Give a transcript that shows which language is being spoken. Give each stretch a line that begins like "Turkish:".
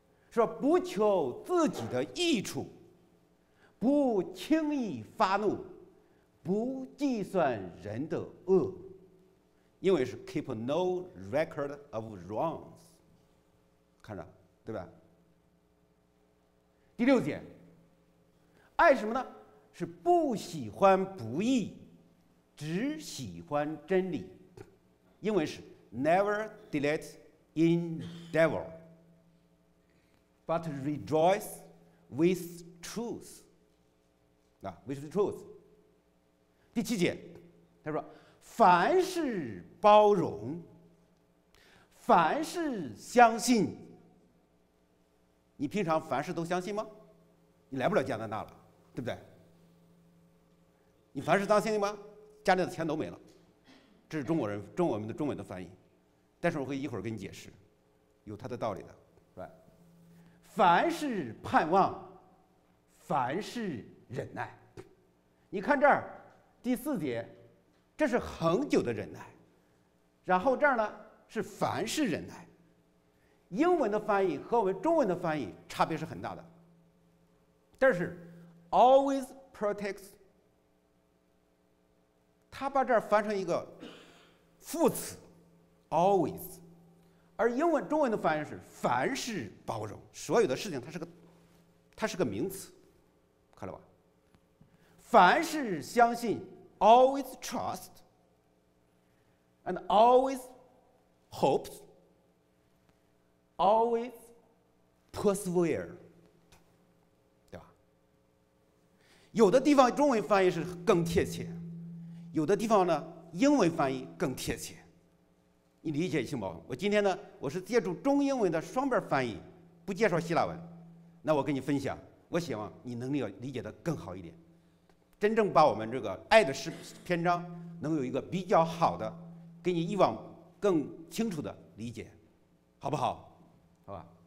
Chinese: 说不求自己的益处，不轻易发怒，不计算人的恶，因为是
English: keep no record of wrongs，
Chinese: 看着，对吧？第六节，爱什么呢？是不喜欢不义，只喜欢真理，因为是
English: Never delight in devil, but rejoice with truth. 啊 ，with truth.
Chinese: 第七节，他说：凡事包容，凡事相信。你平常凡事都相信吗？你来不了加拿大了，对不对？你凡事当相信吗？家里的钱都没了。这是中国人中我们的中文的翻译。但是我会一会儿跟你解释，有它的道理的，是吧？凡事盼望，凡事忍耐。你看这儿第四节，这是恒久的忍耐，然后这儿呢是凡事忍耐。英文的翻译和我们中文的翻译差别是很大的，但是
English: always protects，
Chinese: 他把这儿翻成一个副词。 Always， 而英文中文的翻译是凡事包容，所有的事情它是个名词，看了吧？凡事相信
English: ，always trust， and always hopes， always persevere，
Chinese: 对吧？有的地方中文翻译是更贴切，有的地方呢英文翻译更贴切。你理解行不？我今天呢，我是借助中英文的双边翻译，不介绍希腊文。那我跟你分享，我希望你能够理解得更好一点，真正把我们这个爱的诗篇章能有一个比较好的，给你以往更清楚的理解，好不好？好吧。